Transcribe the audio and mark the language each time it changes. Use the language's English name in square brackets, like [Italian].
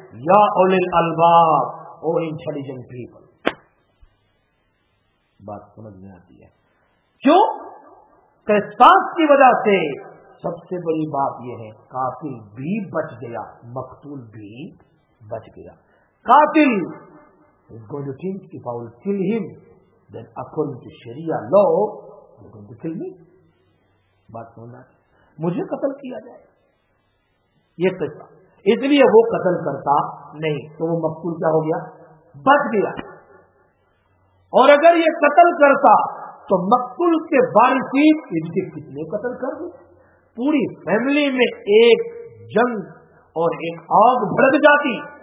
[Urdu] یا اولی الالباب, [English] او intelligent people, [Urdu] بات سمجھ میں آتی ہے. کیوں؟ قصاص کی وجہ سے سب سے بڑی بات یہ ہے, قاتل بھی بچ گیا, مقتول بھی بچ گیا. [English] قاتل is going to think if I will kill him then according to Sharia law they're going to kill me. [Urdu] بات سمجھ آتی ہے, مجھے قتل کیا جائے, یہ قصہ. اس لیے وہ قتل کرتا نہیں تو وہ مقتول کیا ہو گیا؟ بچ گیا. اور اگر یہ قتل کرتا تو مقتول کے وارثین اس کے کتنے قتل کر دیتے, پوری فیملی میں ایک جنگ اور ایک آگ بھڑک جاتی.